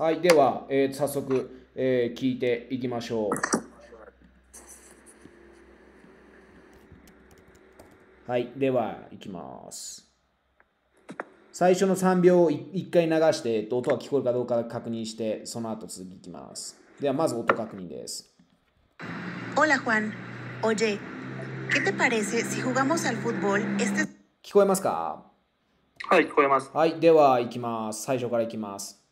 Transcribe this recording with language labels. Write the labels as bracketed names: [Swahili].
[Japanese] はい、では、早速、聞いていきましょう。はい、では、いきます。最初の3秒を1回流して、音は聞こえるかどうか確認して、その後続きいきます。では、まず音確認です。 [Spanish] Hola Juan, oye, ¿qué te parece si jugamos al fútbol? Este [Japanese] 聞こえますか？はい、聞こえます。はい、では、いきます。最初からいきます。